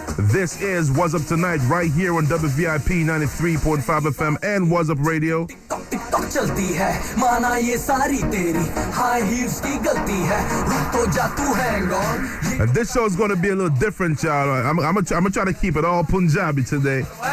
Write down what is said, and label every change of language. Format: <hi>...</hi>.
<en>This is Wazzup Tonight right here on WVIP 93.5 FM and Wazzup Radio.</en> <hi>चलती है माना ये सारी तेरी हाई हील्स की गलती है रुक तो जा तू hang on.</hi> <en>And this show is going to be a little different, y'all. I'm trying to keep it all Punjabi today.</en>